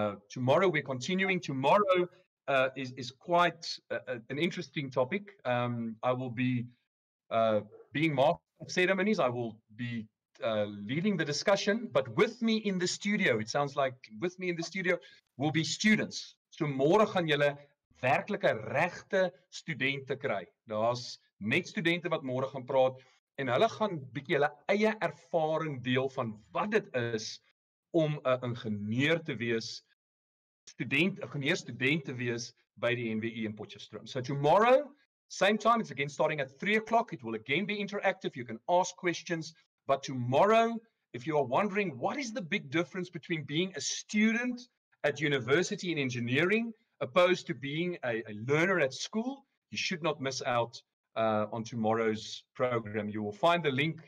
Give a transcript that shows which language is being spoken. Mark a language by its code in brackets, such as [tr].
[en] Tomorrow we're continuing. Tomorrow is quite an interesting topic. I will be being master of ceremonies. I will be leading the discussion, but with me in the studio, it sounds like with me in the studio will be students. [af] So môre gaan julle werklike regte studente kry. Daar's net studente wat môre gaan praat en hulle gaan bietjie hulle eie ervaring deel van wat dit is om 'n ingenieur te wees, student, 'n ingenieurstudent te wees by die NWU in Potchefstroom. [en] So tomorrow, same time, it's again starting at 3:00. It will again be interactive. You can ask questions. But tomorrow, if you are wondering what is the big difference between being a student at university in engineering opposed to being a learner at school, you should not miss out on tomorrow's program. You will find the link.